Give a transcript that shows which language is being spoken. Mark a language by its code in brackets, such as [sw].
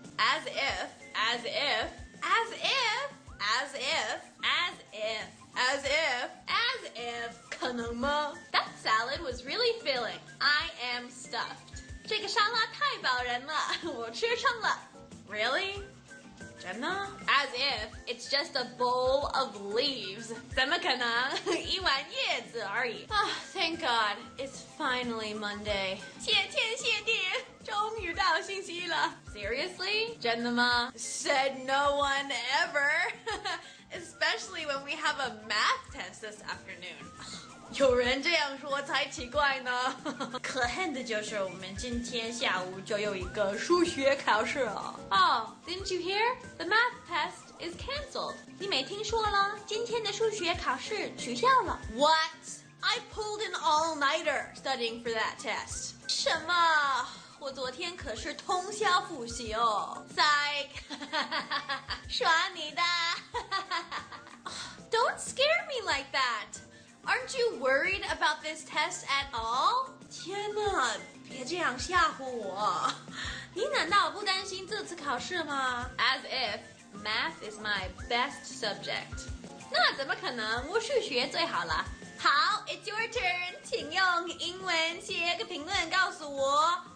[en] As if, as if, as if. As if, as if, as if, as if, [zh] 可能吗？ [en] That salad was really filling. I am stuffed. [zh] 这个沙拉太饱人了，我吃撑了。 [en] Really? [zh] 真的？ [en] As if, it's just a bowl of leaves. [zh] 怎么可能？一碗叶子而已。 [en] Oh, thank God, it's finally Monday. [zh] 谢天谢地，终于到星期一了。 [en] Seriously? [zh] 真的吗？ [en] Said no one ever. Especially when we have a math test this afternoon. [zh] 有人这样说才奇怪呢。可恨的就是我们今天下午就有一个数学考试了。 [en] Oh, didn't you hear? The math test is cancelled. [zh] 你没听说了？今天的数学考试取消了。 [en] What? I pulled an all-nighter studying for that test. [zh] 什么？我昨天可是通宵复习哦。 [en] Psych. [zh] 耍你的。 [en] Don't scare me like that. Aren't you worried about this test at all? [zh] 天哪，别这样吓唬我。你难道不担心这次考试吗？ [en] As if math is my best subject. [zh] 那怎么可能，我数学最好了。好， [en] it's your turn. [zh] 请用英文写个评论告诉我。